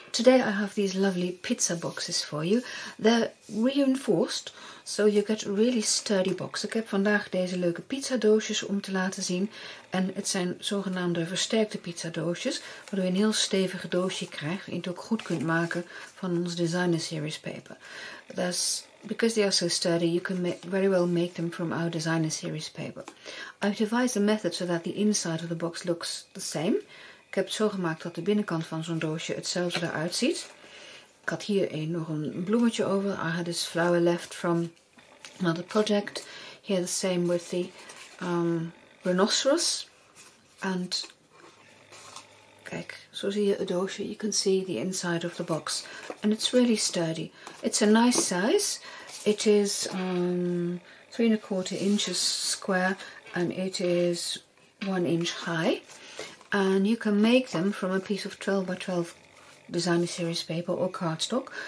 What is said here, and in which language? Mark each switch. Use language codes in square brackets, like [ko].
[en] Today I have these lovely pizza boxes for you. They're reinforced, so you get a really sturdy box. [nl] Ik heb vandaag deze leuke pizzadoosjes om te laten zien. En het zijn zogenaamde versterkte pizzadoosjes, waardoor je een heel stevig doosje krijgt. En je het ook goed kunt maken van ons designer series paper. [en] That's because they are so sturdy, you can very well make them from our designer series paper. I've devised a method so that the inside of the box looks the same. [nl] Ik heb het zo gemaakt dat de binnenkant van zo'n doosje hetzelfde eruit ziet. Ik had hier nog een bloemetje over. [en] I had this flower left from another project. Here the same with the rhinoceros. [nl] And kijk, zo zie je het doosje. [en] You can see the inside of the box. And it's really sturdy. It's a nice size. It is 3¼ inches square and it is 1 inch high. And you can make them from a piece of 12x12 designer series paper or cardstock.